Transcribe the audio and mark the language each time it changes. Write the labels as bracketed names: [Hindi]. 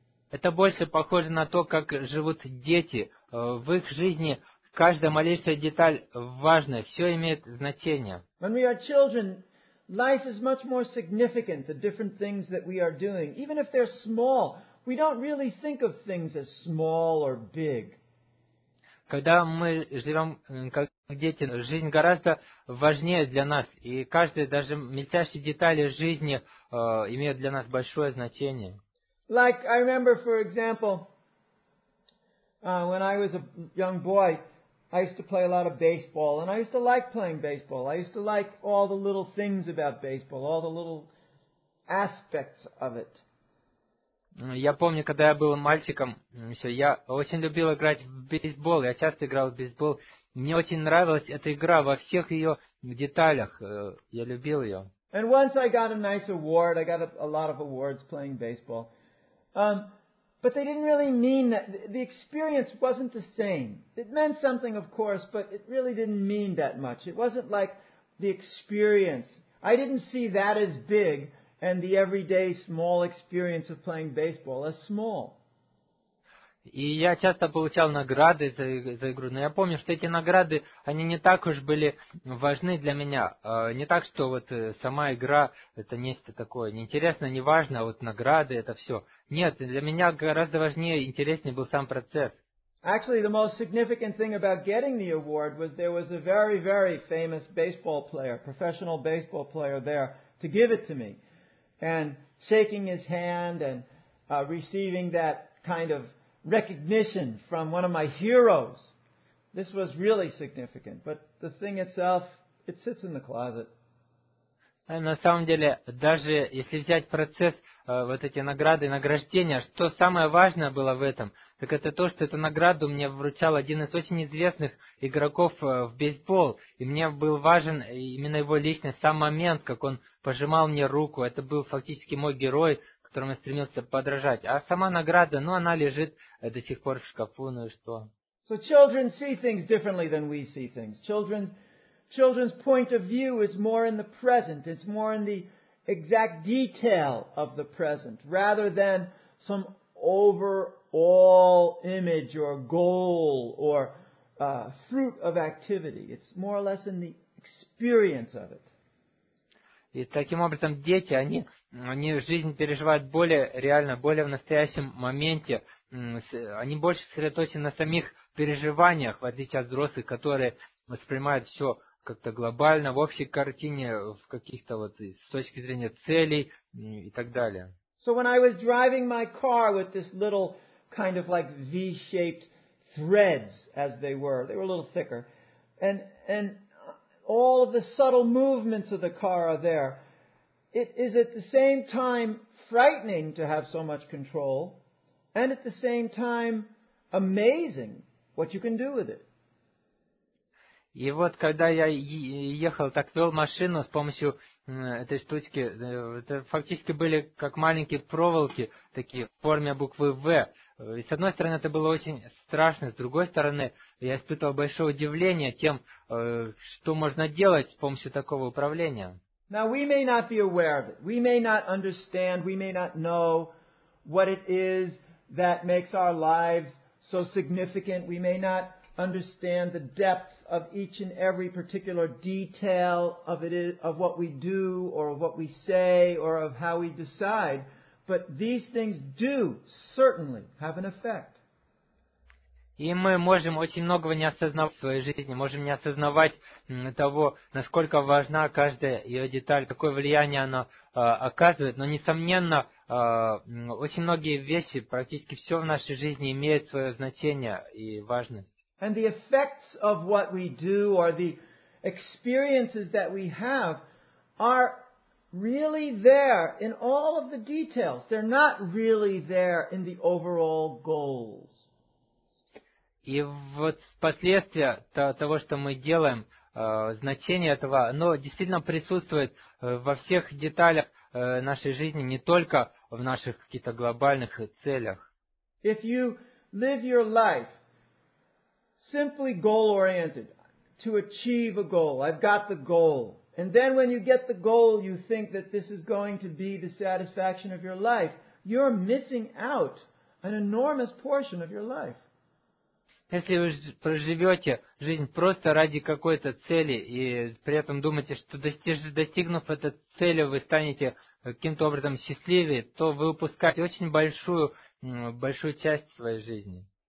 [Russian] Это больше похоже на то, как живут дети. В их жизни каждая малейшая деталь важна, все имеет значение. [English] When we are children, life is much more significant, the different things that we are doing. Even if they're small, we don't really think of things as small or big. [Russian] Когда мы живем как дети, жизнь гораздо важнее для нас, и каждая, даже мельчайшие детали жизни имеют для нас большое значение. [English] Like, I remember, for example, when I was a young boy, I used to play a lot of baseball, and I used to like playing baseball. I used to like all the little things about baseball, all the little aspects of it. [Russian] Я помню, когда я был мальчиком, еще я очень любил играть в бейсбол, я часто играл в бейсбол. Мне очень нравилась эта игра во всех ее деталях, я любил ее. [English] And once I got a nice award, I got a lot of awards playing baseball. But they didn't really mean that, the experience wasn't the same. It meant something, of course, but it really didn't mean that much. It wasn't like the experience. I didn't see that as big. And the everyday small experience of playing baseball is small. [Russian] И я часто получал награды за игру, но я помню, что эти награды, они не так уж были важны для меня. Не так, что вот сама игра, это нечто такое неинтересное, неважно, а вот награды, это все. Нет, для меня гораздо важнее, интереснее был сам процесс. [English] Actually, the most significant thing about getting the award was there was a very, very famous baseball player, professional baseball player there to give it to me. And shaking his hand and receiving that kind of recognition from one of my heroes. This was really significant. But the thing itself, it sits in the closet. [Russian] На самом деле, даже если взять процесс, вот эти награды, награждения, что самое важное было в этом, так это то, что эту награду мне вручал один из очень известных игроков в бейсбол. И мне был важен именно его личность, сам момент, как он пожимал мне руку. Это был фактически мой герой, которому я стремился подражать. А сама награда, ну, она лежит до сих пор в шкафу, ну и что. [English] So children see things differently than we see things. Children's point of view is more in the present. It's more in the exact detail of the present, rather than some overall image or goal or fruit of activity. It's more or less in the experience of it. [Russian] И таким образом дети, они жизнь переживают более реально, более в настоящем моменте. Они больше сосредоточены на самих переживаниях, в отличие от взрослых, которые воспринимают все как-то глобально, в общей картине, в каких-то вот, с точки зрения целей и так далее. [English] So when I was driving my car with this little kind of like V-shaped threads, as they were. They were a little thicker. And all of the subtle movements of the car are there. It is at the same time frightening to have so much control, and at the same time amazing what you can do with it. [Russian] И вот, когда я ехал, так вел машину с помощью этой штучки, это фактически были как маленькие проволоки, такие в форме буквы «В». И с одной стороны, это было очень страшно, с другой стороны, я испытывал большое удивление тем, что можно делать с помощью такого управления. [English] Now, we may not be aware of it. We may not understand, we may not know what it is that makes our lives so significant. We may not understand the depth of each and every particular detail of it, of what we do or of what we say or of how we decide, but these things do certainly have an effect. [Russian] И мы можем очень многого не осознавать в своей жизни, можем не осознавать того, насколько важна каждая ее деталь, какое влияние она оказывает. Но, несомненно, очень многие вещи, практически все в нашей жизни имеют свое значение и важность. [English] And the effects of what we do or the experiences that we have are really there in all of the details. They're not really there in the overall goals. [Russian] И вот последствия того, что мы делаем, значение этого, оно действительно присутствует во всех деталях нашей жизни, не только в наших каких-то глобальных целях. [English] If you live your life simply goal-oriented, to achieve a goal, I've got the goal, and then when you get the goal, you think that this is going to be the satisfaction of your life, you're missing out an enormous portion of your life. [Russian] Если вы проживете жизнь просто ради какой-то цели и при этом думаете, что достигнув этой цели, вы станете каким-то образом счастливее, то вы упускаете очень большую часть своей жизни.